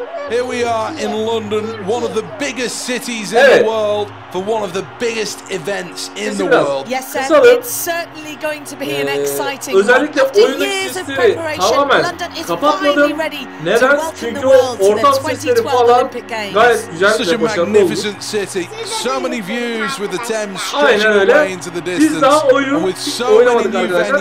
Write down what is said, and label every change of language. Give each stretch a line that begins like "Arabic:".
English: Here we are in London, one of the biggest cities in the world, for one of the biggest events in the world. Yes sir,
Turkish: kısalım.
English: It's certainly going to be an exciting one.
Turkish: Özellikle oyun ekstisleri tamamen kapatmadım. Neden? Çünkü o ortam sesleri falan gayet güzel bir başarılı oldu.
English: City. So many views with the Thames stretching away into the distance.
Turkish: Aynen öyle. Biz daha oyun oynamadık arkadaşlar.